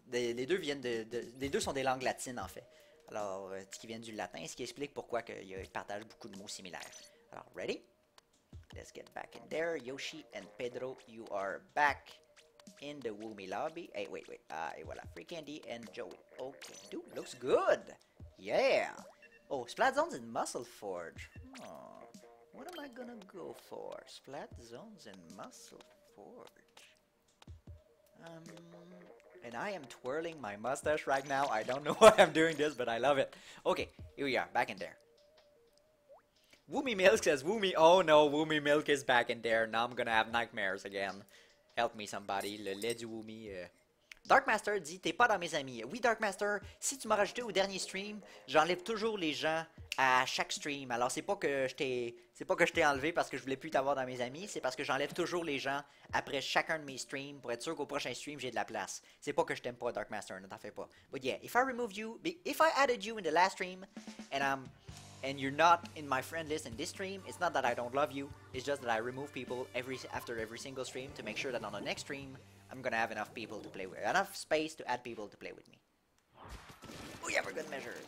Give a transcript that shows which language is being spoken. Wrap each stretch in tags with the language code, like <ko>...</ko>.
<fr>Les deux sont des langues latines, en fait. Alors, ce qui vient du latin, ce qui explique pourquoi qu'ils partagent beaucoup de mots similaires.</fr> <en>Alors, ready? Let's get back in there. Yoshi and Pedro, you are back in the Woomy lobby. Hey, wait. Ah, et voilà. Free Candy and Joey. Okay, dude, looks good. Yeah. Oh, Splat Zones and Muscle Forge. Oh, what am I gonna go for? Splat Zones and Muscle Forge. And I am twirling my mustache right now. I don't know why I'm doing this, but I love it. Okay, here we are, back in there. Woomy Milk says, Woomy, oh no, Woomy Milk is back in there. Now I'm gonna have nightmares again. Help me, somebody.</en> <fr>Le lait du Woomy. Darkmaster dit, t'es pas dans mes amis. Oui, Darkmaster, si tu m'as rajouté au dernier stream, j'enlève toujours les gens à chaque stream. Alors c'est pas que je t'ai enlevé parce que je voulais plus t'avoir dans mes amis, c'est parce que j'enlève toujours les gens après chacun de mes streams pour être sûr qu'au prochain stream j'ai de la place. C'est pas que je t'aime pas, Darkmaster, ne t'en fais pas.</fr> <en>But yeah, if I added you in the last stream and you're not in my friend list in this stream, it's not that I don't love you, it's just that I remove people after every single stream to make sure that on the next stream I'm gonna have enough space to add people to play with me. Oh yeah, for good measure.</en>